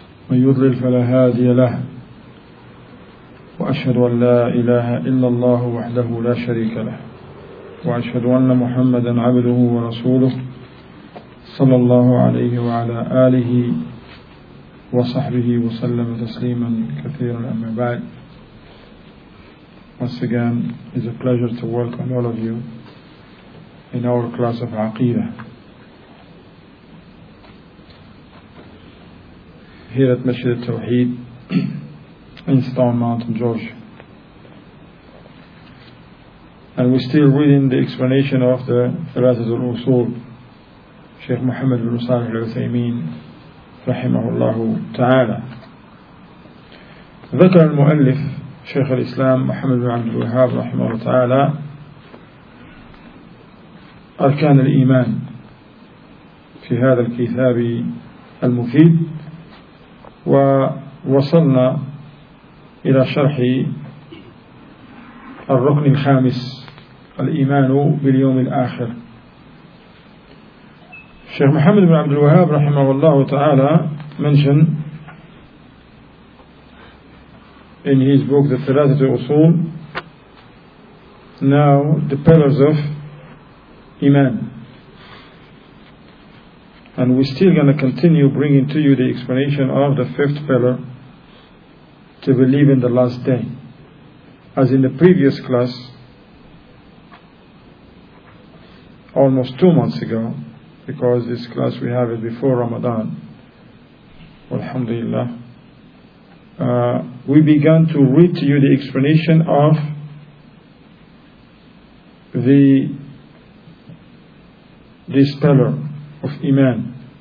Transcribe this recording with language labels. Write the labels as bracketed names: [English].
[Arabic] من يضلل فلا هادي له وأشهد أن لا إله إلا الله وحده لا شريك له وأشهد أن محمدا عبده ورسوله صلى الله عليه وعلى آله وصحبه وسلم تسليما كثيرا أما بعد. [English] Once again, it's a pleasure to welcome all of you in our class of Aqeedah. Here at Masjid al-Tawheed in Stone Mountain, Georgia. And we're still reading the explanation of the Thalathat al-Usul, Sheikh Muhammad bin Salih al-Uthaymeen, rahimahullah ta'ala. [Arabic] Dhakar al-Mu'allif, Sheikh al-Islam, Muhammad bin Abdul Wahhab, rahimahullah ta'ala, Arkan al-Iman, fi hadha al-kithabi al-mufid, ووصلنا إلى شرح الركن الخامس الإيمان باليوم الآخر. [English] الشيخ محمد بن عبد الوهاب [Arabic] رحمه الله تعالى [English] mentioned in his book The ثلاثة أصول, now the pillars of إيمان. And we're still going to continue bringing to you the explanation of the fifth pillar, to believe in the last day. As in the previous class, almost 2 months ago, because this class we have it before Ramadan, alhamdulillah, we began to read to you the explanation of this pillar of Iman.